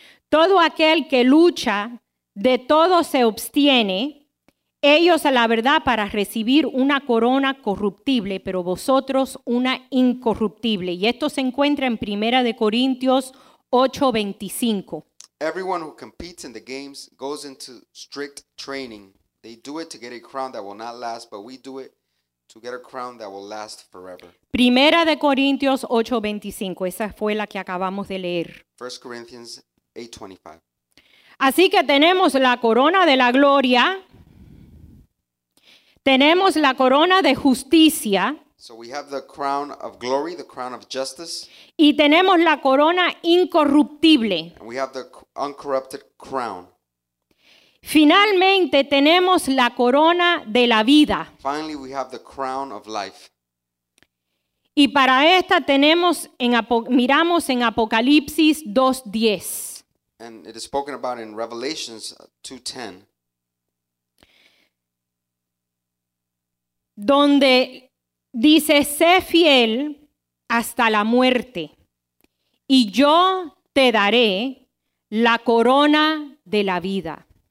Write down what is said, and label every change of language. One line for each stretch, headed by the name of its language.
Spanish: Todo aquel que lucha de todo se abstiene, ellos a la verdad para recibir una corona corruptible, pero vosotros una incorruptible. Y esto se encuentra en Primera de Corintios 8:25.
English: Everyone who competes in the games goes into strict training. They do it to get a crown that will not last, but we do it to get a crown that will last forever.
Spanish: Primera de Corintios 8:25, esa fue la que acabamos de leer.
English: 1 Corinthians 8:25.
Spanish: Así que tenemos la corona de la gloria. Tenemos la corona de justicia.
English: So we have the crown of glory, the crown of justice.
Spanish: Y tenemos la corona incorruptible.
English: And we have the uncorrupted crown.
Spanish: Finalmente tenemos la corona de la vida.
English: Finally we have the crown of life.
Spanish: Y para esta tenemos en miramos en Apocalipsis 2:10.
English: And it is spoken about in Revelations 2:10.
Spanish: Donde dice, sé fiel hasta la muerte, y yo te daré la corona de la vida.